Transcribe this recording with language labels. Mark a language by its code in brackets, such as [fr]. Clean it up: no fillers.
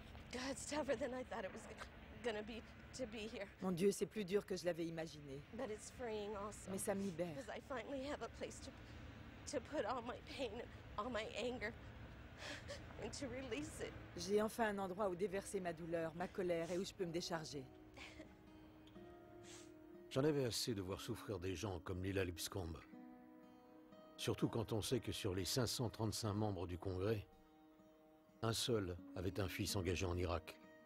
[en] God's tougher than I thought it was gonna be to be here. [fr] Mon Dieu, c'est plus dur que je l'avais imaginé. [en] But it's freeing also. [fr] Mais ça me libère. [en] Because I finally have a place to put all my pain and all my anger and to release it. [fr] J'ai enfin un endroit où déverser ma douleur, ma colère et où je peux me décharger. J'en avais assez de voir souffrir des gens comme Lila Lipscomb. Surtout quand on sait que sur les 535 membres du Congrès, un seul avait un fils engagé en Irak.